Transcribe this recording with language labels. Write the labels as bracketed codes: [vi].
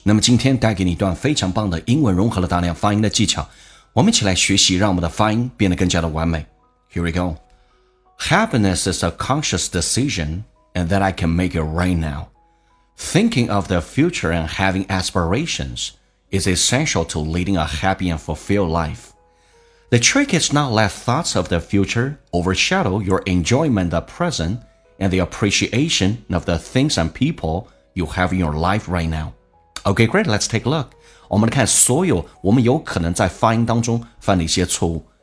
[zh] 那么今天带给你一段非常棒的英文融合了大量发音的技巧，我们一起来学习，让我们的发音变得更加的完美。 [en] Here we go。 Happiness is a conscious decision and that I can make it right now. Thinking of the future and having aspirations is essential to leading a happy and fulfilled life. The trick is not let thoughts of the future overshadow your enjoyment of the presentand the appreciation of the things and people you have in your life right now. Okay, great, let's take a look. [zh] 我们来看所有我们有可能在发音当中犯的一些错误。